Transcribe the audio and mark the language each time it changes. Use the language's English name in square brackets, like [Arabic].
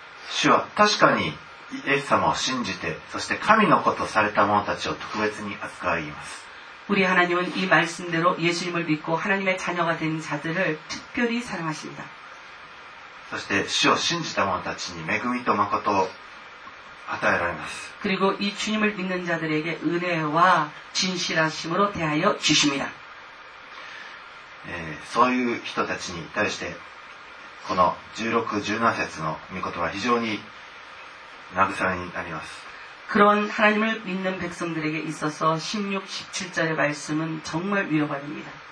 [Japanese] 主は確かにイエス様を信じてそして神の子とされた者たちを特別に扱います。 [Korean] 우리하나님은이말씀대로예수님을믿고하나님의자녀가된자들을특별히사랑하십니다 [Japanese] そして主を信じた者たちに恵みと誠を与えられます。 [Korean] 그리고이주님을믿는자들에게은혜와진실하심으로대하여주십니다 [Japanese] そういう人たちに対してこの16-17節の御言葉は非常に慰めになります。 [Korean] 그런하나님을믿는백성들에게있어서16-17절의말씀은정말위로가됩니다